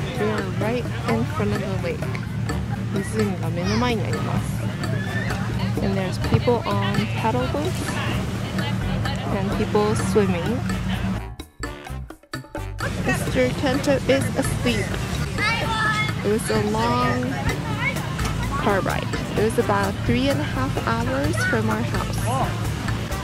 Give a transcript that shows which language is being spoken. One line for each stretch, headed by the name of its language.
English: We are right in front of the lake.
Japanese: 湖が目の前にあります。
English: And there's people on paddle boats and people swimming. Mr. Tento is asleep. It was a long car ride. It was about 3.5 hours from our house.